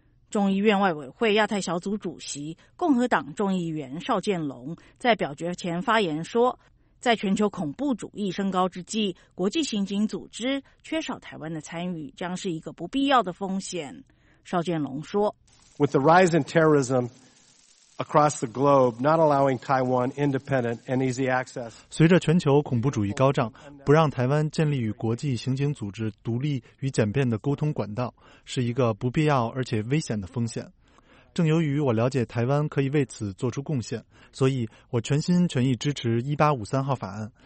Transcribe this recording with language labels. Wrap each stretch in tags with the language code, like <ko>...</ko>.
<zh>众议院外委会亚太小组主席、共和党众议员邵建龙在表决前发言说，在全球恐怖主义升高之际，国际刑警组织缺少台湾的参与将是一个不必要的风险。邵建龙说，</zh> <en>With the rise in terrorism across the globe, not allowing Taiwan independent and easy access.</en> <zh>随着全球恐怖主义高涨，不让台湾建立与国际刑警组织独立与简便的沟通管道，是一个不必要而且危险的风险。正由于我了解台湾可以为此做出贡献，所以我全心全意支持1853号法案。</zh>